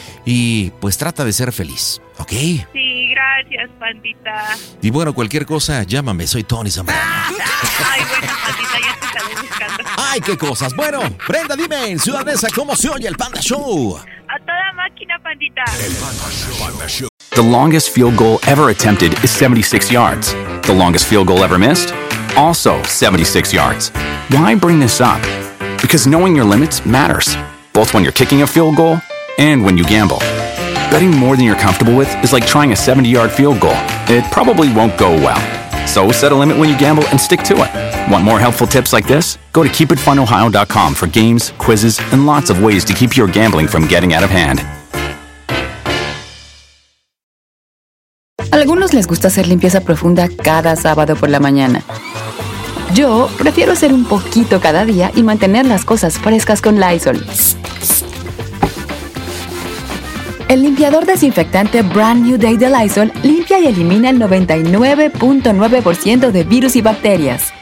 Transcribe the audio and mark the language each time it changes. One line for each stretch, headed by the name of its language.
Spanish: Y pues trata de ser feliz, ¿ok? Sí, gracias, pandita. Y bueno, cualquier cosa, llámame, soy Tony Zambrano. Ay, bueno, pandita, ya te estaré buscando. Ay, qué cosas. Bueno, Brenda, dime, en Ciudad Neza, ¿cómo se oye el Panda Show? A toda máquina, pandita. El Panda Show. Panda Show.
English: The longest field goal ever attempted is 76 yards. The longest field goal ever missed? Also 76 yards. Why bring this up? Because knowing your limits matters, both when you're kicking a field goal and when you gamble. Betting more than you're comfortable with is like trying a 70-yard field goal. It probably won't go well. So set a limit when you gamble and stick to it. Want more helpful tips like this? Go to KeepItFunOhio.com for games, quizzes, and lots of ways to keep your gambling from getting out of hand.
Spanish: Algunos les gusta hacer limpieza profunda cada sábado por la mañana. Yo prefiero hacer un poquito cada día y mantener las cosas frescas con Lysol. El limpiador desinfectante Brand New Day de Lysol limpia y elimina el 99.9% de virus y bacterias.